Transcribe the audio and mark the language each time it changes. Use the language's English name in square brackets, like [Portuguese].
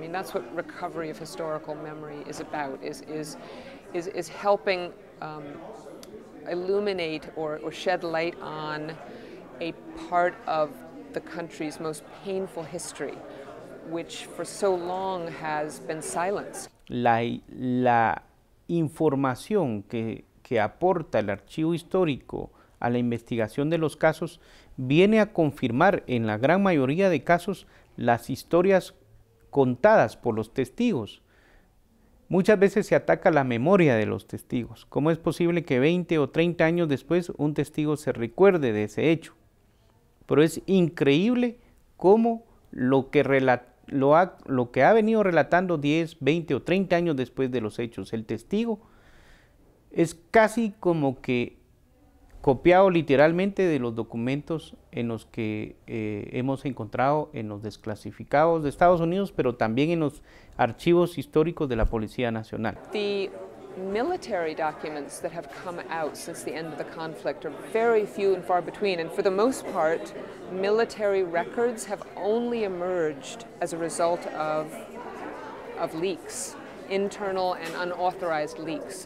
[English] I mean, that's what recovery of historical memory is about, is helping illuminate or shed light on a part of the country's most painful history, which for so long has been silenced. [Spanish] La información que aporta el archivo histórico a la investigación de los casos viene a confirmar en la gran mayoría de casos las historias contadas por los testigos. Muchas veces se ataca la memoria de los testigos. ¿Cómo es posible que 20 o 30 años después un testigo se recuerde de ese hecho? Pero es increíble cómo lo que ha venido relatando 10, 20 o 30 años después de los hechos el testigo es casi como que copiado literalmente de los documentos en los que hemos encontrado en los desclasificados de Estados Unidos, pero también en los archivos históricos de la Policía Nacional. [English] The military documents that have come out since the end of the conflict are very few and far between, and for the most part, military records have only emerged as a result of leaks, internal and unauthorized leaks.